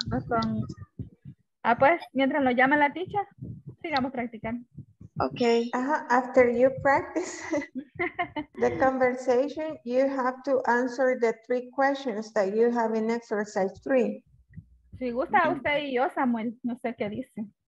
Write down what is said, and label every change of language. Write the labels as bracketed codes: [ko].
[es] Pues mientras lo llama la ticha, sigamos practicando. Okay. [en] After you practice the conversation, you have to answer the three questions that you have in exercise three. [es] Si gusta usted y yo, Samuel, no sé qué dice.